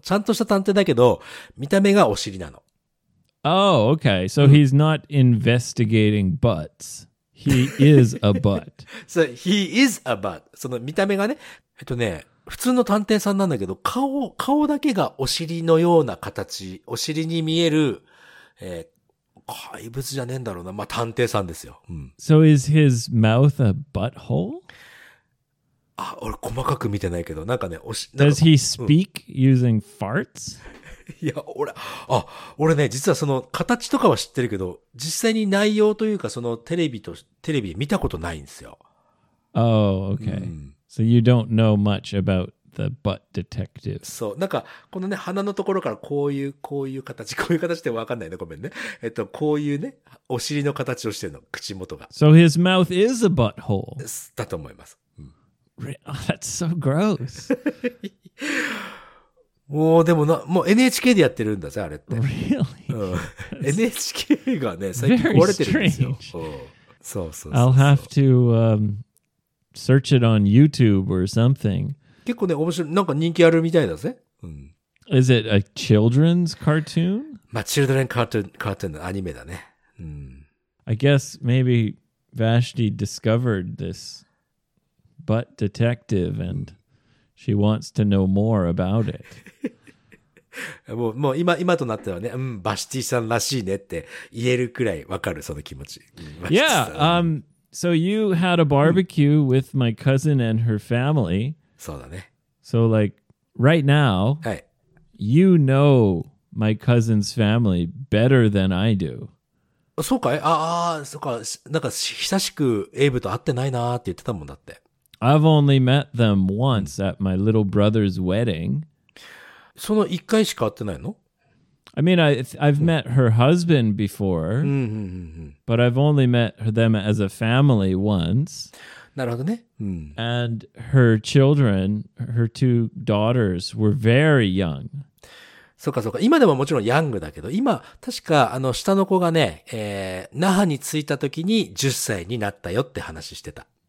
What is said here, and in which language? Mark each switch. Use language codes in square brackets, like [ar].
[ja] ちゃんとした探偵だけど、見た目がお尻なの。 [en] Oh, okay. So he's not investigating butts. He is a butt. So he is a butt. [ja] その見た目がね、普通の探偵さんなんだけど、顔だけがお尻のような形、お尻に見える、怪物じゃねえんだろうな。まあ、探偵さんですよ。うん。 [en] So is his mouth a butthole? [ja] あ、俺細かく見てないけど、なんかね、おし、 [en] Does he speak using farts? [ja] いや、俺、あ、俺ね、実はその形とかは知ってるけど、実際に内容というか、そのテレビと、テレビ見たことないんですよ。 [en] Oh, okay.、うん、so you don't know much about the butt detective. [ja] そう、なんか、このね、鼻のところからこういう形、こういう形ってわかんないね、ごめんね。こういうね、お尻の形をしてるの、口元が。 [en] So his mouth is a butthole. [ja] だと思います。 [en] Oh, that's so gross. [ja] もうでもな、もう NHK でやってるんだぜ、あれって。 [en] Really? [ja] うん、NHK がね、最近壊れてるんですよ。そうそうそう。 [en] I'll have to, search it on YouTube or something. [ja] 結構ね、面白い。なんか人気あるみたいだぜ。うん、 [en] Is it a children's cartoon? [ja] まあ、 [en] children cartoon, cartoon [ja] のアニメだね。うん、 [en] I guess maybe Vashti discovered this. But detective, and she wants to know more about it. [ja] もう今、今となってはね、うん、バシティさんらしいねって言えるくらいわかる、その気持ち。 [en] Yeah, so you had a barbecue with my cousin and her family. [ja] そうだね。 [en] So like, right now, you know my cousin's family better than I do. [ja] そうかい？ああ、そっか、なんか久しくエイブと会ってないなって言ってたもんだって。 [en] I've only met them once at my little brother's wedding. [ja] その一回しか会ってないの? [en] I mean, I've met her husband before, but I've only met them as a family once. [ja] なるほどね。 [en] And her children, her two daughters, were very young. [ja] そうかそうか。今でももちろんヤングだけど、今、確か、あの、下の子がね、那覇に着いた時に10歳になったよって話してた。